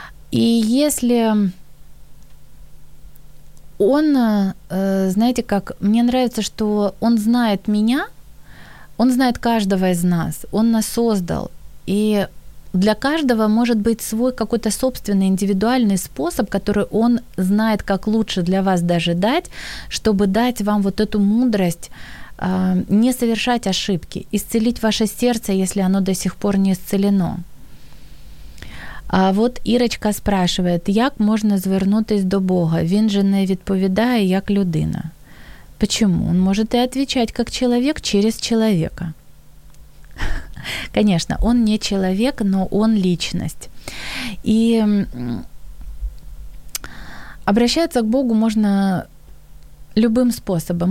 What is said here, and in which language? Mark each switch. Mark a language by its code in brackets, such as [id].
[ru] И если Он, знаете как, мне нравится, что Он знает меня, Он знает каждого из нас, Он нас создал, и для каждого может быть свой какой-то собственный индивидуальный способ, который он знает, как лучше для вас даже дать, чтобы дать вам вот эту мудрость не совершать ошибки, исцелить ваше сердце, если оно до сих пор не исцелено. А вот Ирочка спрашивает, як можно [uk] звернутись до Бога? Він же не відповідає, як людина. [ru] Почему? Он может и отвечать, как человек, через человека. Конечно, он не человек, но он личность. И обращаться к Богу можно любым способом.